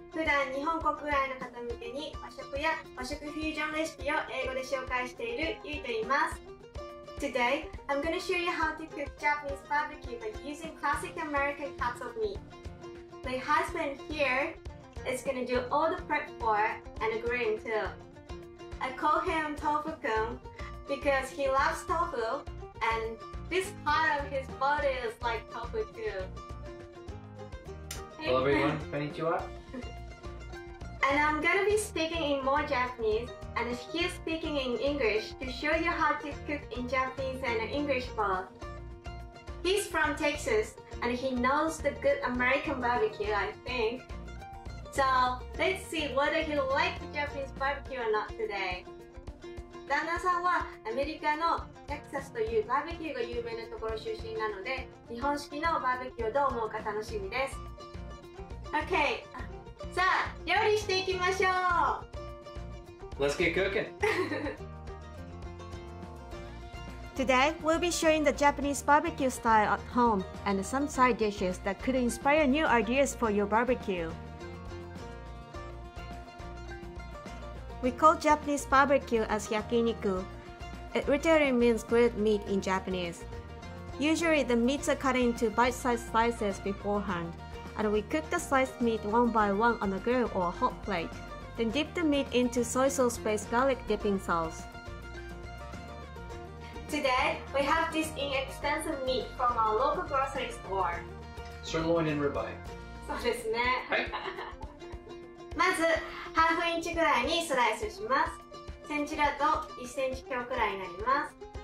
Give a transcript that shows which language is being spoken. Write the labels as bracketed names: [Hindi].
[Japanese] 普段日本国外の方向けに和食や和食フュージョンレシピを英語で紹介しているゆいと言います。 [English] Today, I'm going to show you how to cook Japanese BBQ by using classic American cuts of meat. My husband here is going to do all the prep for and agreeing too. I call him Tofu-kun because he loves tofu andThis part of his body is like tofu too. Hello everyone, konnichiwa. And I'm gonna be speaking in more Japanese, and he's speaking in English to show you how to cook in Japanese and English both. He's from Texas, and he knows the good American barbecue, I think. So let's see whether he likes Japanese barbecue or not today. [Japanese] 旦那さんはアメリカのテキサスというバーベキューが有名なところ出身なので、日本式のバーベキューをどう思うか楽しみです。 [English] OK! [Japanese] さあ、料理していきましょう。 [English] Let's get cooking! Today, we'll be showing the Japanese barbecue style at home and some side dishes that could inspire new ideas for your barbecue. We call Japanese barbecue as yakiniku. It literally means grilled meat in Japanese. Usually the meats are cut into bite-sized slices beforehand, and we cook the sliced meat one by one on a grill or a hot plate, then dip the meat into soy sauce-based garlic dipping sauce. Today, we have this inexpensive meat from our local grocery store. Sirloin and ribeye. [Japanese] そうですね。はい。まず、ハーフインチくらいにスライスします。センチだと1センチ強くらいになります。